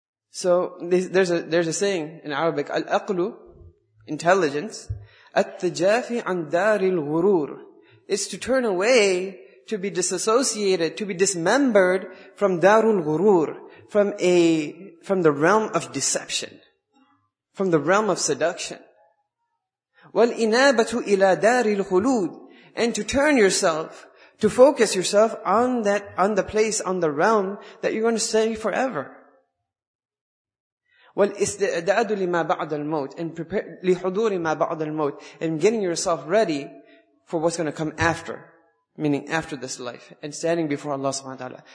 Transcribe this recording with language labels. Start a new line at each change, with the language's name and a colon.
English: So there's a saying in Arabic, al-aqlu, intelligence,
Arabic: التجافي عن دار الغرور.
English: It's to turn away, to be disassociated, to be dismembered from
Arabic: دار الغرور,
English: from the realm of deception, from the realm of seduction.
Arabic: والإنابة إلى دار الخلود.
English: And to turn yourself, to focus yourself on that, on the place, on the realm that you're going to stay forever.
Arabic: وَالْإِسْتِعْدَادُ لِمَا بَعْدَ الْمَوْتِ
English: and prepare
Arabic: لِحُضُورِ مَا بَعْدَ الْمَوْتِ
English: and getting yourself ready for what's going to come after, meaning after this life, and standing before Allah subhanahu wa ta'ala.